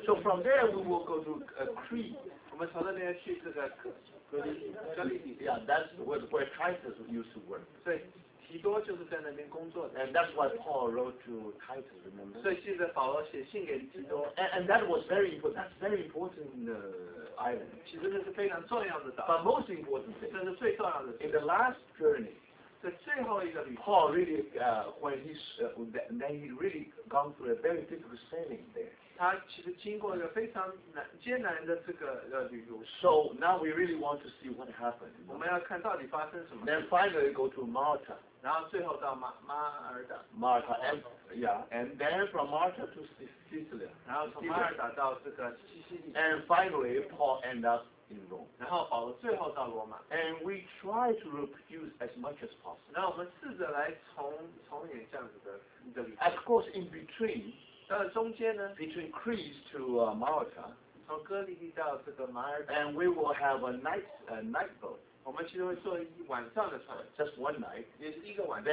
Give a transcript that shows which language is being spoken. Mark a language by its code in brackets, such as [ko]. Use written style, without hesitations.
[en] So from there we will go to Crete. [zh] 我们从那边去这个格里格里底。 [en] Yeah, that's where Titus used to work. [zh] 所以提多就是在那边工作的。 [en] And that's why Paul wrote to Titus, remember? [zh] 所以现在保罗写信给提多。 [en] And that was very important. That's very important. Island. [zh] 其实那是非常重要的岛。 [en] But most important thing, [zh] 这是最重要的。 [en] In the last journey, [zh] 在最后一个旅行 [en] ，Paul really, when he's, then he really gone through a very difficult sailing there. [zh] 他其实经过一个非常艰难的这个旅途。 [en] So now we really want to see what happened. [zh] 我们要看到底发生什么。 [en] Then finally go to Malta. [zh] 然后最后到马尔代。 [en] Malta and yeah, and then from Malta to Sicily. [zh] 然后从马尔代到这个西西里。 [en] And finally, Paul end up in Rome. [zh] 然后保罗最后到罗马。 [en] And we try to reproduce as much as possible. [zh] 那我们试着来重演这样子的旅 [en] 程。Of course, in between. [zh] 到中间呢 [en] ？Between Crete to Malta. [zh] 从哥里西亚到这个马尔代。 [en] And we will have a night boat. [zh] 我们其实会坐一晚上的船 [en] ，just one night， [zh] 也是一个晚上。